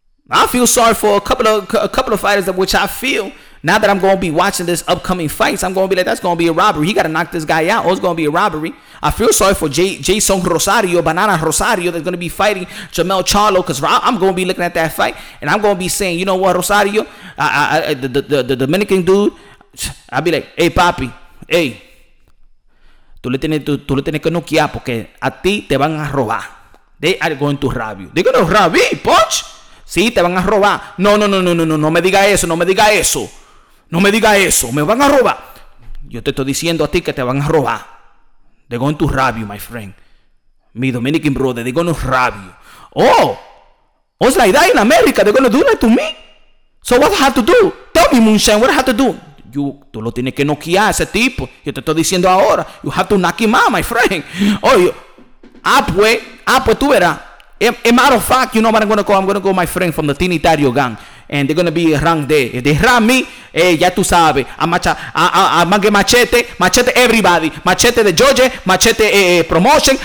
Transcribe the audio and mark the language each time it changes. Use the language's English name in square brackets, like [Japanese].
[English] I feel sorry for a couple of fighters, of which I feel now that I'm going to be watching this upcoming fights, I'm going to be like, that's going to be a robbery. He got to knock this guy out, or it's going to be a robbery. I feel sorry for Jason Rosario, Banana Rosario, that's going to be fighting Jamel Charlo, because I'm going to be looking at that fight, and I'm going to be saying, you know what, Rosario, the Dominican dude, I'll be like, hey, papi, hey. [Spanish] Tú le tienes que noquear porque a ti te van a robar. [English] They are going to rob you. They're going to rob me, punch. [Spanish] Sí, te van a robar. No. No me diga eso. No me diga eso. Me van a robar. Yo te estoy diciendo a ti que te van a robar. [English] They're going to rob you, my friend. Mi Dominican brother, they're going to rob you. Oh, it's like that in America. They're going to do that to me. So what I have to do? Tell me, Moonshine, what I have to do? [Spanish] Tú lo tienes que noquear a ese tipo. Yo te estoy diciendo ahora. [English] You have to knock him out, my friend. [Spanish] Oye, pues tú verás. [English] As a matter of fact, you know what I'm going to call? I'm going to call my friend from the Tinitario gang. And they're going to be around there. If they run me, [Spanish] ya tú sabes. [English] Machete everybody. Machete de Georgia. Machete promotion.